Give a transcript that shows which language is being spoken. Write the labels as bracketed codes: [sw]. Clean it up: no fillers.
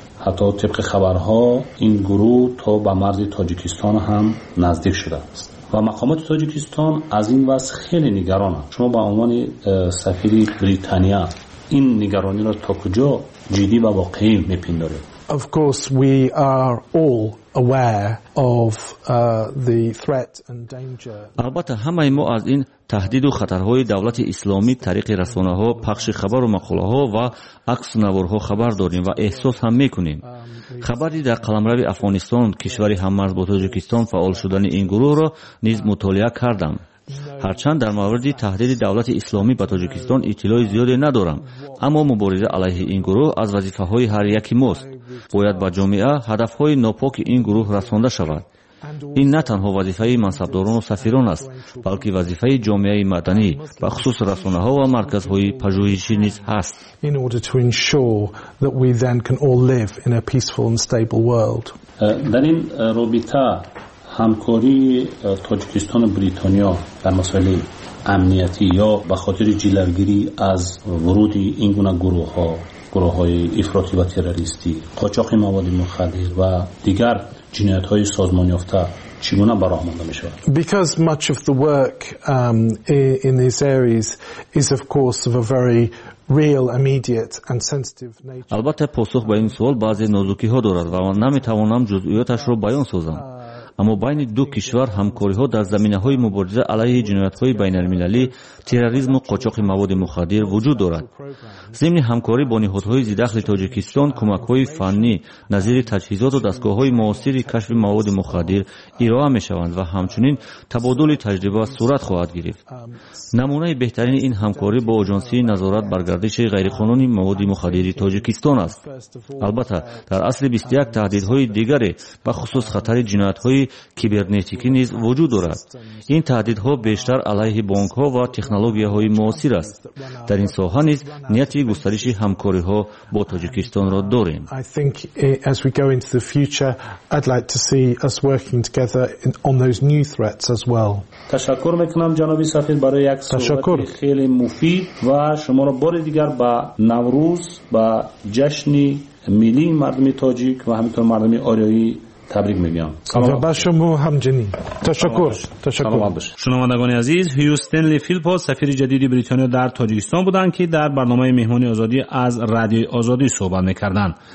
[fa] حتی طبق خبرها این گروه تا به مرز تاجیکستان هم نزدیک شده است و مقامات تاجیکستان از این وضع خیلی نگران هست. شما به عنوان سفیر بریتانیا این نگرانی را تا کجا جدی و واقعی می پندارید؟ [en] Of course we are all aware of the threat and danger. [fa] البته همه ما از این تهدید و خطرهای دولت اسلامی طریق رسانه‌ها، پخش خبر و مقاله‌ها و عکس نوارها خبر داریم و احساس هم میکنیم. خبری در قلمرو افغانستان، کشوری هممرز با تاجیکستان، فعال شدن این گروه را نیز مطالعه کردم. هرچند در مورد تهدید دولت اسلامی به تاجیکستان اطلاع زیادی ندارم، اما مبارزه علیه این گروه از وظیفه های هر یکی ماست. باید به جامعه هدف های ناپاک این گروه رسانده شود. این نه تنها وظیفه منصبداران و سفیران است، بلکه وظیفه جامعه مدنی و خصوص رسانه ها و مرکز های پژوهشی نیز هست. [en] In order to ensure that we then can all live in a peaceful and stable world. [fa] در این رابطه همکاری تاجیکستان و بریتانیا در مسائل امنیتی یا به خاطر جلوگیری از ورود این گونه گروه های افراطی و تروریستی، قاچاق مواد مخدر و دیگر جنایت های سازمان یافته چگونه براه مانده می شود؟ [en] Because much of the work in these areas is of course of a very real immediate and sensitive nature. [fa] البته پاسخ به این سوال بعضی نازکی ها دارد و من نمی توانم جزئیاتش را بیان سازم، اما بین دو کشور همکاری ها در زمینه های مبارزه علیه جنایت های بین المللی، تروریسم و قاچاق مواد مخدر وجود دارد. ضمن همکاری با نهادهای ضداخل تاجیکستان، کمک های فنی نظیر تجهیزات و دستگاه های موثر کشف مواد مخدر ارائه می شوند و همچنین تبادل تجربه صورت خواهد گرفت. نمونه بهترین این همکاری با آژانسی نظارت بر گردش غیرقانونی مواد مخدر تاجیکستان است. البته در اصل 21 تهدیدهای دیگری به خصوص خطر جنایت های کیبرنتیکی نیز وجود دارد. این تهدیدها بیشتر علیه بانک ها و تکنولوژی های موثر است. در این ساحه نیز نیت گسترش همکاری ها با تاجیکستان را داریم. [en] I think as we go into the future I'd like to see us working together on those new threats as well. [fa] تشکر میکنم جناب سفیر برای یک صحبت خیلی مفید و شما را بار دیگر با نوروز با جشن ملی مردم تاجیک و همینطور مردم آریایی تبریک میگم. سلام به شما همچنین. تشکر. شنوندگان عزیز، هیوستنلی فیلپو سفیر جدید بریتانیا در تاجیکستان بودند که در برنامه مهمانی آزادی از رادیو آزادی صحبت میکردند.